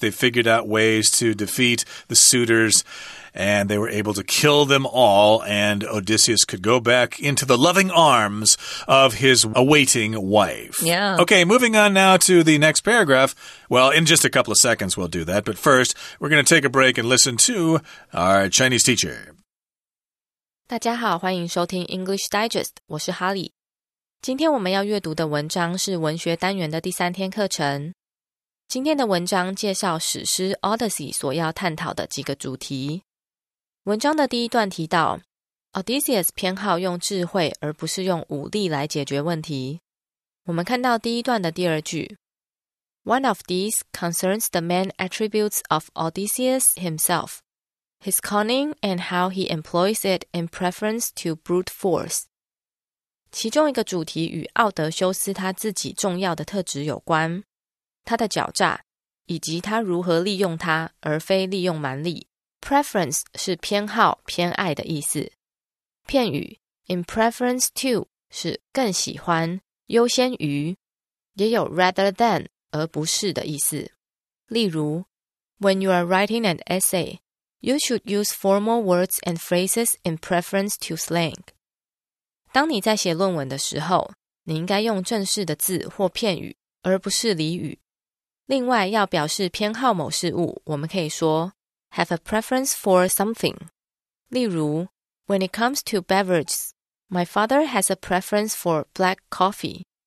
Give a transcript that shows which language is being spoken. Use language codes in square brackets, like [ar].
[en] They figured out ways to defeat the suitors. And they were able to kill them all, and Odysseus could go back into the loving arms of his awaiting wife. Yeah. Okay, moving on now to the next paragraph. Well, in just a couple of seconds we'll do that. But first, we're going to take a break and listen to our Chinese teacher. [zh] 大家好，欢迎收听 English Digest， 我是哈利。今天我们要阅读的文章是文学单元的第三天课程。今天的文章介绍史诗 Odyssey 所要探讨的几个主题。文章的第一段提到 Odysseus 偏好用智慧而不是用武力来解决问题。我们看到第一段的第二句 [en] One of these concerns the main attributes of Odysseus himself, his cunning and how he employs it in preference to brute force. [zh] 其中一个主题与奥德修斯他自己重要的特质有关，他的狡诈以及他如何利用他而非利用蛮力。 Preference 是偏好、偏爱的意思。片语 [en] in preference to [zh] 是更喜欢、优先于，也有 [en] rather than [zh] 而不是的意思。例如 [en] When you are writing an essay, you should use formal words and phrases in preference to slang. [zh] 当你在写论文的时候，你应该用正式的字或片语，而不是俚语。另外，要表示偏好某事物，我们可以说 [en] Have a preference for something. [zh] 例如 [en] When it comes to beverages, my father has a preference for black coffee.